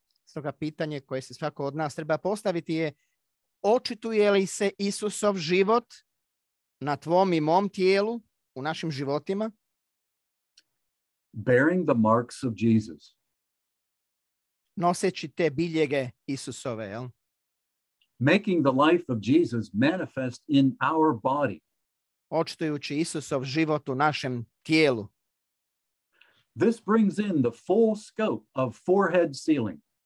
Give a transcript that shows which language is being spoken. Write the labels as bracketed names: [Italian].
[Croatian] Stoga pitanje koje se svako od nas treba postaviti je: očituje li se Isusov život na tvom i mom tijelu, u našim životima? [English] Bearing the marks of Jesus. [Croatian] Noseći te biljege Isusove, jel? [English] Making the life of Jesus manifest in our body. [Croatian] Očitujući Isusov život u našem tijelu. [English] This brings in the full scope of forehead sealing.